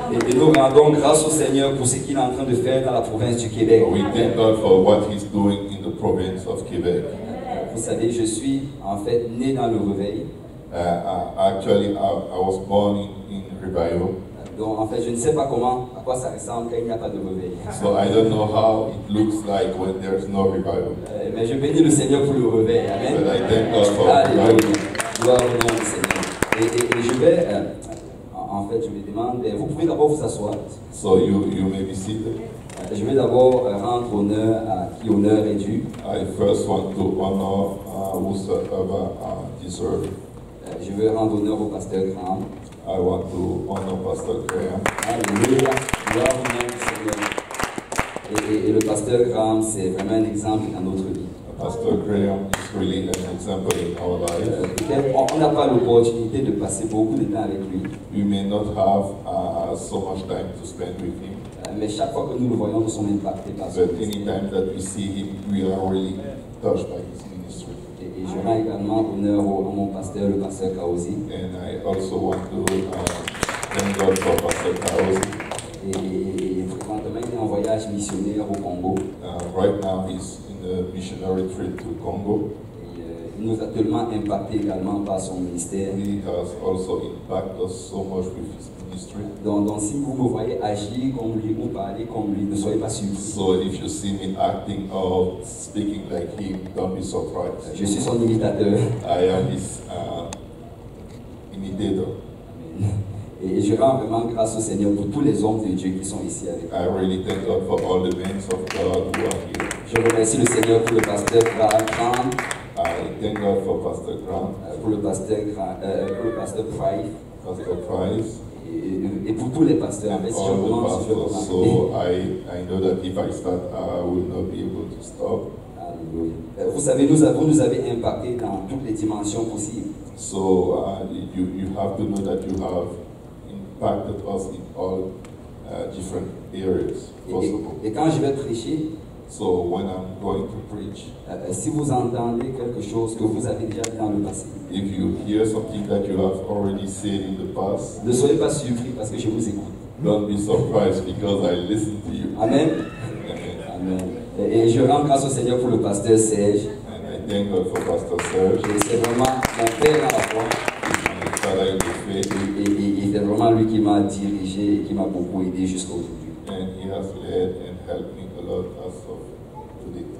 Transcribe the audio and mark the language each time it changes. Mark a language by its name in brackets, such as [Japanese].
[French] Et nous rendons grâce au Seigneur pour ce qu'il est en train de faire dans la province du Québec. [English] We thank God for what he's doing in the province of Quebec. [French] Vous savez, je suis en fait né dans le réveil. [English] I was born in revival. [French] Donc en fait, je ne sais pas comment, à quoi ça ressemble quand il n'y a pas de réveil. [English] So I don't know how it looks like when there's no revival. [French] Mais je bénis le Seigneur pour le réveil. Amen. [English] But I thank God for revival. [French] Gloire au nom du Seigneur. Et je vais en fait, je me demande, vous pouvez d'abord vous asseoir. [English] So you may be seated. [French] Je vais d'abord rendre honneur à qui honneur est dû. [English] I first want to honor whosoever deserve. [French] Je veux rendre honneur au pasteur Graham. [English] I want to honor Pastor Graham. [French] Alléluia, gloire au nom du Seigneur. Et le pasteur Graham, c'est vraiment un exemple dans notre vie. [English] Pastor Graham is really an example in our life. [French] On n'a pas l'opportunité de passer beaucoup de temps avec lui. [English] We may not have so much time to spend with him. [French] Mais chaque fois que nous le voyons, nous sommes impactés par son ministère. [English] But any time that we see him, we are really touched by his ministry. [French] Et je rends également honneur à mon pasteur, le pasteur Kaosi. [English] And I also want to thank God for Pastor Kaosi. [French] Et fréquemment, il est en voyage missionnaire au Congo. [English] Right now, he's missionary trip to Congo. [French] Il nous a tellement impacté également par son ministère. [English] He has also impacted us so much with his ministry. [French] Donc si vous me voyez agir comme lui ou parler comme lui, ne soyez pas surpris. [English] So if you see me acting or speaking like him, don't be surprised. [French] Je suis son imitateur. [English] I am his imitator. Amen. [French] Et je rends vraiment grâce au Seigneur pour tous les hommes de Dieu qui sont ici avec nous. [English] I really thank God for all the men of God who are here. [French] Je remercie le Seigneur pour le pasteur Graham. [English] I thank God for Pastor Graham. [French] Pour le pasteur Graham, pour le pasteur Price. Pasteur Price. Et pour tous les pasteurs. [English] And [French] mais [English] all [French] si je [English] the [French] commence, [English] pastors. [French] Je veux commencer. [English] So I know that if I start, I will not be able to stop. Alléluia. [French] Vous savez, nous avez impacté dans toutes les dimensions possibles. [English] So you have to know that you have impacted us in all different areas. [French] Et quand je vais prêcher. [English] So when I'm going to preach, [French] si vous entendez quelque chose que vous avez déjà dit dans le passé, [English] if you hear something that you have already said in the past, [French] ne soyez pas surpris parce que je vous écoute. [English] Don't be surprised because I listen to you. Amen. Amen. Amen. [French] Et je rends grâce au Seigneur pour le pasteur Serge. [English] And I thank God for Pastor Serge. [French] Et c'est vraiment la paix à la fois. Et c'est vraiment lui qui m'a dirigé et qui m'a beaucoup aidé jusqu'à aujourd'hui. [English] And he has led and helped me a lot as of today.